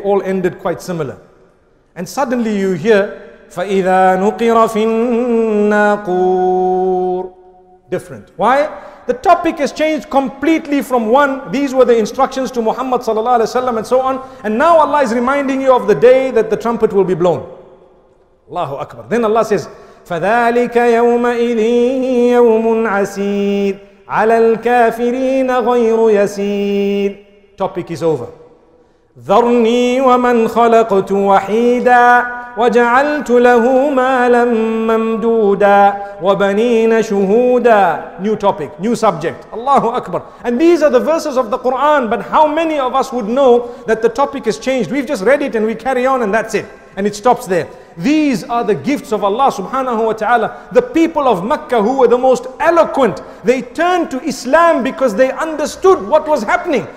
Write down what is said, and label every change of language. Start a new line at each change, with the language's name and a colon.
English: All ended quite similar. And suddenly you hear,
Arabic: فَإِذَا نُقِرَ فِي النَّاقُورِ.
English: Different. Why? The topic has changed completely from one. These were the instructions to Muhammad sallallahu alaihi wasallam and so on. And now Allah is reminding you of the day that the trumpet will be blown. Allahu Akbar. Then Allah says,
Arabic: فَذَلِكَ يَوْمَئِذٍ يَوْمٌ عَسِيرٌ عَلَى الْكَافِرِينَ غَيْرُ يَسِيرٌ.
English: Topic is over.
Arabic: ذرني ومن خلقت وحيدا وجعلت له مالا ممدودا وبنين شهودا.
English: New topic, new subject. Allahu Akbar. And these are the verses of the Quran, but how many of us would know that the topic has changed? We've just read it and we carry on and that's it. And it stops there. these are the gifts of Allah subhanahu wa ta'ala. The people of Makkah, who were the most eloquent, they turned to Islam because they understood what was happening.